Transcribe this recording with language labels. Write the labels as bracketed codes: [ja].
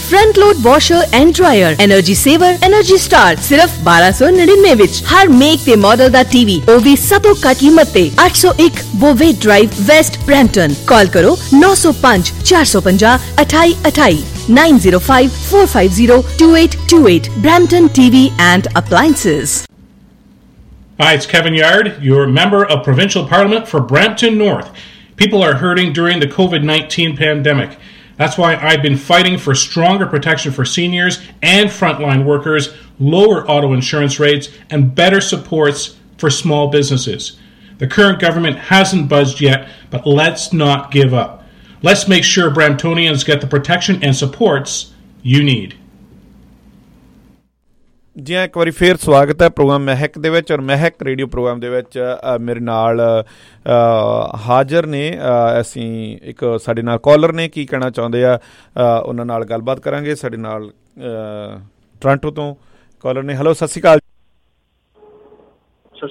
[pa] Front load washer and dryer energy saver energy star ਸਿਰਫ 1299 ਵਿੱਚ ਹਰ make ਤੇ model ਦਾ TV ਉਹ ਵੀ ਸਭ ਤੋਂ ਘੱਟ ਕੀਮਤ ਤੇ 801 ਬੋਵੇ ਡਰਾਈਵ ਵੈਸਟ ਬ੍ਰੈਂਪਟਨ ਕਾਲ ਕਰੋ 905-450-2828 905-450-2828 Brampton TV and Appliances. [en] Hi, it's Kevin Yard, your member of Provincial Parliament for Brampton North. People are hurting during the COVID-19 pandemic. That's why I've been fighting for stronger protection for seniors and frontline workers, lower auto insurance rates, and better supports for small businesses. The current government hasn't budged yet, but let's not give up. Let's make sure Bramptonians get the protection and supports you need. [pa] ਜੀ ਇੱਕ ਵਾਰੀ ਫਿਰ ਸਵਾਗਤ ਹੈ programme ਮਹਿਕ ਦੇ ਵਿੱਚ ਔਰ ਮਹਿਕ radio programme ਦੇ ਵਿੱਚ ਮੇਰੇ ਨਾਲ ਹਾਜ਼ਰ ਨੇ ਅਸੀਂ ਇੱਕ ਸਾਡੇ ਨਾਲ ਕਾਲਰ ਨੇ ਕੀ ਕਹਿਣਾ ਚਾਹੁੰਦੇ ਆ ਉਹਨਾਂ ਨਾਲ ਗੱਲਬਾਤ ਕਰਾਂਗੇ ਸਾਡੇ ਨਾਲ ਟੋਰਾਂਟੋ ਤੋਂ ਕਾਲਰ ਨੇ ਹੈਲੋ ਸਤਿ ਸ਼੍ਰੀ ਅਕਾਲ ਸਤਿ